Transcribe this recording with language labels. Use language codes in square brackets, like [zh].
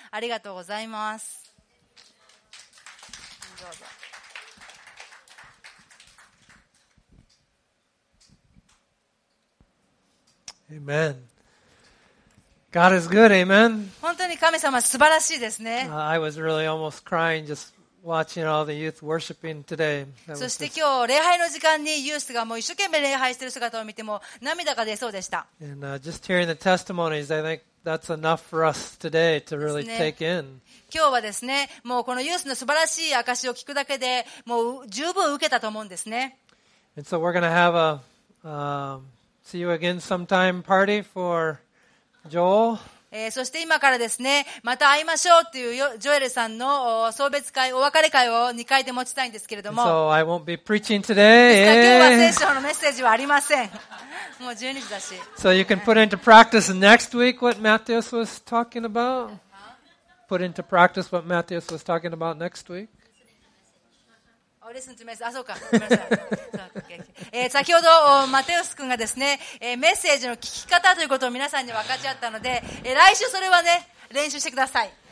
[ja] ありがとうございます。どうぞ。 [en] Amen. God is good. Amen. [ja] 本当に神様素晴らしいですね。 [en] I was really almost crying just watching all the youth worshiping today. [ja] そして今日礼拝の時間にユースがもう一生懸命礼拝している姿を見ても涙が出そうでした。 [en] And just hearing the testimonies, I think that's enough for us today to really take in. [ja] 今日はですね、もうこのユースの素晴らしい証を聞くだけで、もう十分受けたと思うんですね。 [en] And so we're gonna have a, see you again sometime party for Joel. [ja] そして今からですね、また会いましょうっていうジョエルさんの送別会、お別れ会を2回で持ちたいんですけれども。 [en] And、so I won't be preaching today. [ja] 今日は聖書のメッセージはありません。もう12時だし。 [en] So you can put into practice next week what Matthias was talking about. Put into practice what Matthias was talking about next week. Oh, listen to me. Ah, so. Okay. [ja] 先ほどマテウス君がですね、メッセージの聞き方ということを皆さんに分かち合ったので、来週それはね、練習してください。